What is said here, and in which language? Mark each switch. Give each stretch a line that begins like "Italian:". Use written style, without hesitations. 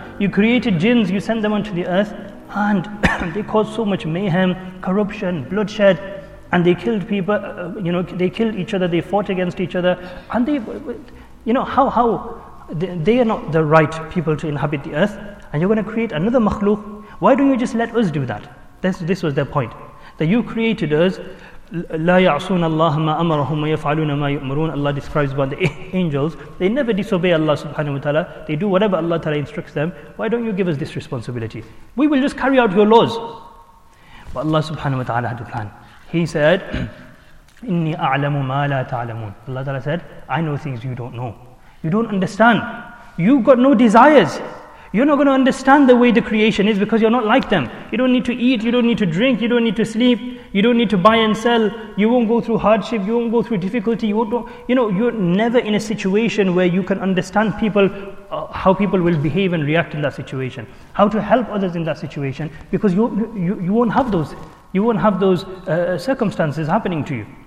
English: You created jinns, you sent them onto the earth, and they caused so much mayhem, corruption, bloodshed, and they killed people, you know, they killed each other, they fought against each other, and they, you know, how they are not the right people to inhabit the earth, and you're going to create another makhluk. Why don't you just let us do that? This was their point, that you created us.
Arabic: لا يعصون الله ما أمرهم ويفعلون ما يأمرون.
English: Allah describes about the angels, they never disobey Allah subhanahu wa ta'ala, they do whatever Allah ta'ala instructs them. Why don't you give us this responsibility? We will just carry out your laws. But Allah subhanahu wa ta'ala had a plan. He said,
Arabic: إني أعلم ما لا تعلمون.
English: Allah ta'ala said, I know things you don't know. You don't understand. You've got no desires. You're not going to understand the way the creation is because you're not like them. You don't need to eat, you don't need to drink, you don't need to sleep, you don't need to buy and sell, you won't go through hardship, you won't go through difficulty, you're never in a situation where you can understand people, how people will behave and react in that situation, how to help others in that situation, because you won't have those circumstances happening to you.